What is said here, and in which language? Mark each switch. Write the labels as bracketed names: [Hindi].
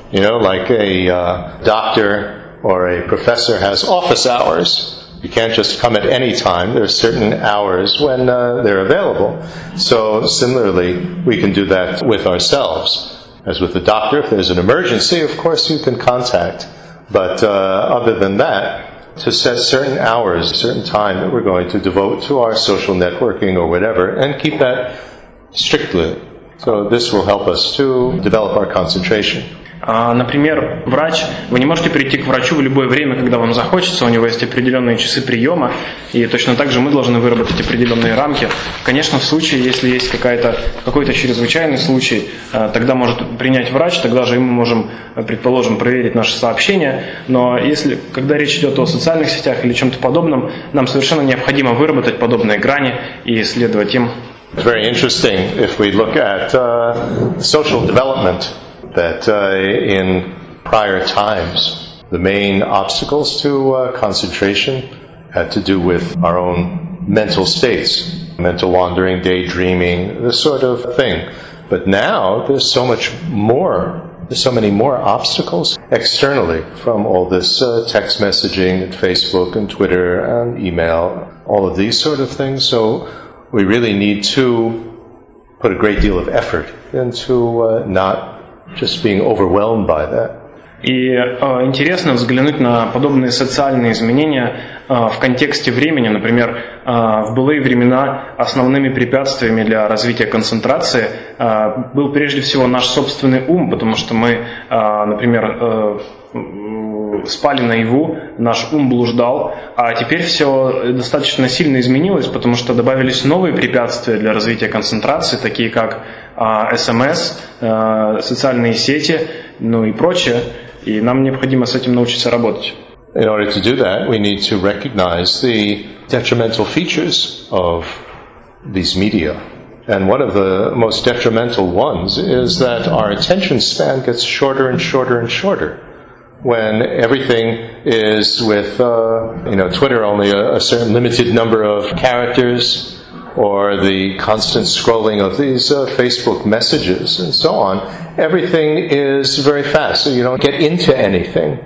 [English] You know, like a doctor or a professor has office hours. You can't just come at any time. There are certain hours when they're available. So similarly, we can do that with ourselves. As with the doctor, if there's an emergency, of course you can contact. But other than that, to set certain hours, a certain time that we're going to devote to our social networking or whatever, and keep that strictly. So this will help us to develop our concentration. [Russian] Например, врач, вы не можете прийти к врачу в любое время, когда вам захочется, у него есть определенные часы приема, и точно так же мы должны выработать определенные рамки. Конечно, в случае, если есть какой-то чрезвычайный случай, тогда может принять врач, тогда же мы можем, предположим, проверить наше сообщение, но когда речь идет о социальных сетях или чем-то подобном, нам совершенно необходимо выработать подобные грани и следовать им. [English] It's very interesting if we look at social development. That in prior times, the main obstacles to concentration had to do with our own mental states, mental wandering, daydreaming, this sort of thing. But now there's so much more, there's so many more obstacles externally from all this text messaging and Facebook and Twitter and email, all of these sort of things. So we really need to put a great deal of effort into not just being overwhelmed by that. [Russian] И интересно взглянуть на подобные социальные изменения в контексте времени. Например, в былые времена основными препятствиями для развития концентрации был прежде всего наш собственный ум, потому что мы, например, спали наяву, наш ум блуждал, а теперь все достаточно сильно изменилось, потому что добавились новые препятствия для развития концентрации, такие как СМС, социальные сети, ну и прочее, и нам необходимо с этим научиться работать. [English] In order to do that, we need to recognize the detrimental features of these media. And one of the most detrimental ones is that our attention span gets shorter and shorter and shorter. When everything is with, Twitter only a certain limited number of characters, or the constant scrolling of these Facebook messages and so on, everything is very fast, so you don't get into anything.